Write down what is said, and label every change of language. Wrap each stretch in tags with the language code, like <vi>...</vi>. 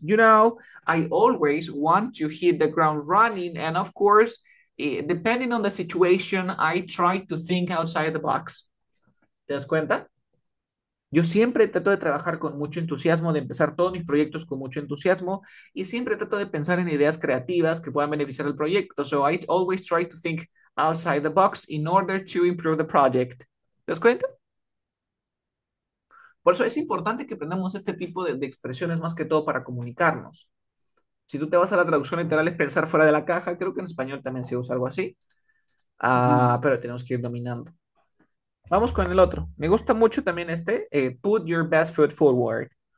<en>You know, I always want to hit the ground running, and of course, depending on the situation, I try to think outside the box.</en> <es>¿Te das cuenta? Yo siempre trato de trabajar con mucho entusiasmo, de empezar todos mis proyectos con mucho entusiasmo, y siempre trato de pensar en ideas creativas que puedan beneficiar al proyecto.</es> <en>So I always try to think outside the box in order to improve the project.</en> <es>¿Te das cuenta? Por eso es importante que aprendamos este tipo de expresiones más que todo para comunicarnos. Si tú te vas a la traducción literal, es pensar fuera de la caja. Creo que en español también se usa algo así. Ah, pero tenemos que ir dominando. Vamos con el otro. Me gusta mucho también este.</es> <en>Put your best foot forward.</en>